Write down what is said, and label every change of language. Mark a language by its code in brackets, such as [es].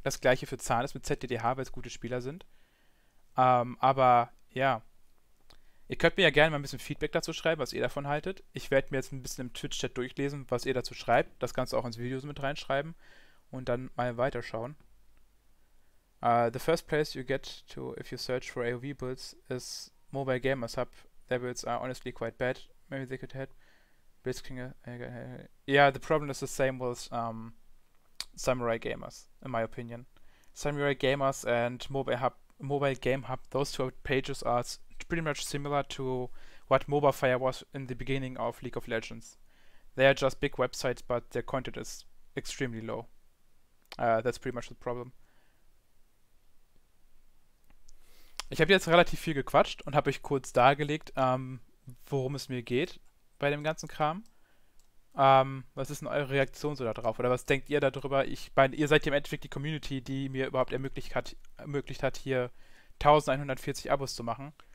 [de] Das gleiche für Zahnes mit ZDDH, weil es gute Spieler sind. Aber ja. Ihr könnt mir ja gerne mal ein bisschen Feedback dazu schreiben, was ihr davon haltet. Ich werde mir jetzt ein bisschen im Twitch-Chat durchlesen, was ihr dazu schreibt. Das Ganze auch ins Video mit reinschreiben. Und dann mal weiterschauen. [en] The first place you get to if you search for AOV builds is Mobile Gamers Hub. Their builds are honestly quite bad. Maybe they could help. Blitzklinge. Yeah, the problem is the same with Samurai Gamers, in my opinion. Samurai Gamers and Mobile Game Hub, those two pages are pretty much similar to what MOBAfire was in the beginning of League of Legends. They are just big websites, but their content is extremely low. That's pretty much the problem. [de] Ich habe jetzt relativ viel gequatscht und habe euch kurz dargelegt, worum es mir geht bei dem ganzen Kram. Was ist denn eure Reaktion so darauf? Oder was denkt ihr darüber? Ich meine, ihr seid ja im Endeffekt die Community, die mir überhaupt ermöglicht hat, hier 1140 Abos zu machen.